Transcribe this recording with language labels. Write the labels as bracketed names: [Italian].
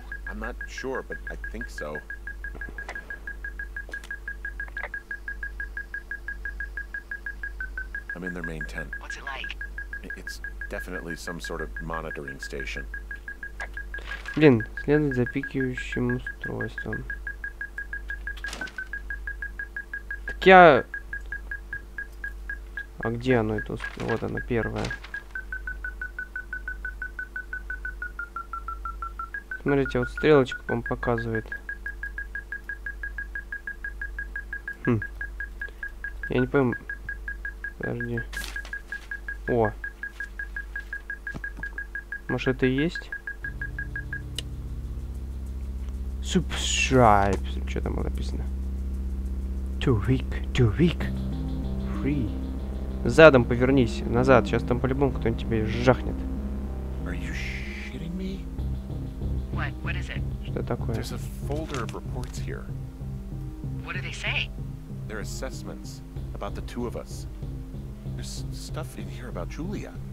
[English] I'm not sure, but I think so. I'm in their main tent. What's it like? It's definitely some sort of monitoring station. [Russian] Блин, следует за пикающим устройством. Так я... А где оно это? Вот оно, первое. Смотрите, вот стрелочка вам показывает. Я не пойму. Подожди. О! Может, это и есть? [English] Subscribe. [Russian] Что там написано? [English] Two week. Free. [Russian] Задом повернись. Назад. Сейчас там по-любому кто-нибудь тебе жахнет. [English] Are you shitting me? What is it? [Russian] Что такое? [English] There's a folder of reports here. What do they say? They're assessments about the two of us. There's stuff in here about Julia.